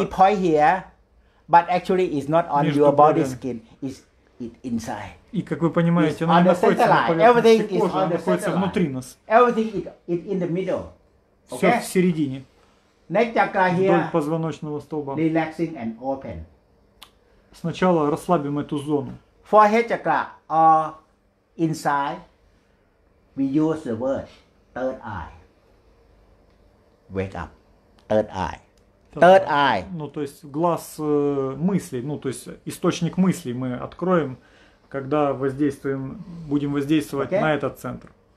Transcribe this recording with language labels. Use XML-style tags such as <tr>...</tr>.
<en>We point here, but actually it's not on your body skin. It inside.</en> <ru>И как вы понимаете, оно находится на поверхности кожи, оно находится внутри нас.</ru> <en>Everything is in the middle. Okay?</en> <ru>Все в середине.</ru> <en>Neck chakra here.</en> <ru>Вдоль позвоночного столба.</ru> <en>Relaxing and open.</en> <ru>Сначала расслабим эту зону.</ru> <en>Forehead chakra or inside, we use the word third eye. Wake up. Third eye. Third eye.</en> <ru>Ну, то есть глаз мыслей, ну, то есть источник мыслей мы откроем, когда воздействуем, будем воздействовать okay. на этот центр.</ru>